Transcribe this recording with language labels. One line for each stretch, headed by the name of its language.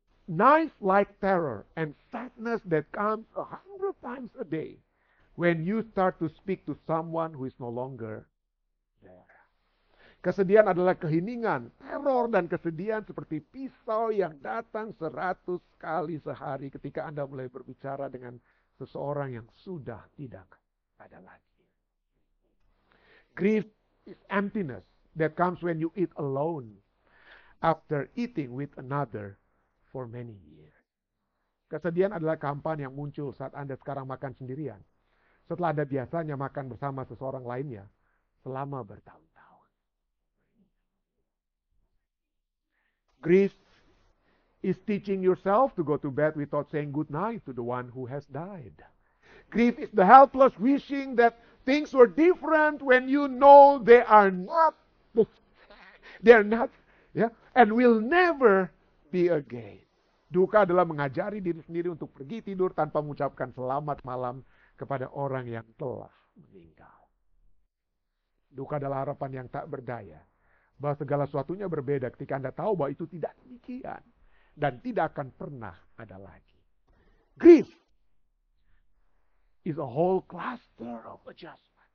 English: Knife like terror and sadness that comes 100 times a day when you start to speak to someone who is no longer there.
Indonesian: Kesedihan adalah keheningan, teror dan kesedihan seperti pisau yang datang 100 kali sehari ketika Anda mulai berbicara dengan seseorang yang sudah tidak ada lagi.
English: Grief is emptiness that comes when you eat alone after eating with another for many years.
Indonesian: Kesedihan adalah kehampaan yang muncul saat Anda sekarang makan sendirian, setelah Anda biasanya makan bersama seseorang lainnya selama bertahun-tahun.
English: Grief is teaching yourself to go to bed without saying good night to the one who has died. Grief is the helpless wishing that things were different when you know they are not. They are not. Yeah, and will never be again.
Indonesian: Duka adalah mengajari diri sendiri untuk pergi tidur tanpa mengucapkan selamat malam kepada orang yang telah meninggal. Duka adalah harapan yang tak berdaya, bahwa segala sesuatunya berbeda ketika Anda tahu bahwa itu tidak demikian dan tidak akan pernah ada lagi.
English: Grief is a whole cluster of adjustments.